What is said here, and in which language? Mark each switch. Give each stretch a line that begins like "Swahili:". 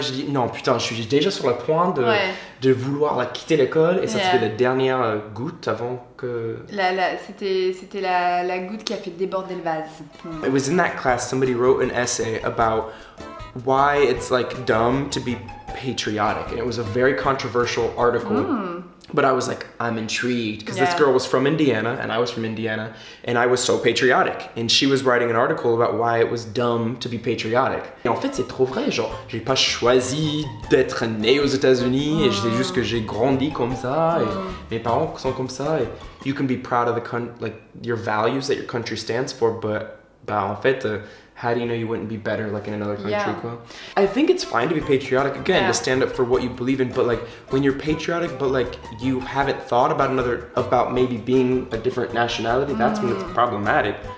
French: J'ai dit non, putain, je suis déjà sur le point de vouloir like, quitter l'école et ça c'était la dernière goutte avant que. C'était la goutte qui a fait déborder le vase.
English: Mm. It was in that class. Somebody wrote an essay about why it's like dumb to be patriotic, and it was a very controversial article. Mm. But I was like, I'm intrigued, because this girl was from Indiana, and I was from Indiana, and I was so patriotic. And she was writing an article about why it was dumb to be patriotic.
French: Et en fait, c'est trop vrai, genre, j'ai pas choisi d'être né aux États-Unis, et c'est juste que j'ai grandi comme ça, et mes parents sont comme ça.
English: Et you can be proud of the your values that your country stands for, but bah, en fait, how do you know you wouldn't be better like in another country? Yeah. Well, I think it's fine to be patriotic again, to stand up for what you believe in, but like when you're patriotic but like you haven't thought about maybe being a different nationality, that's when it's problematic.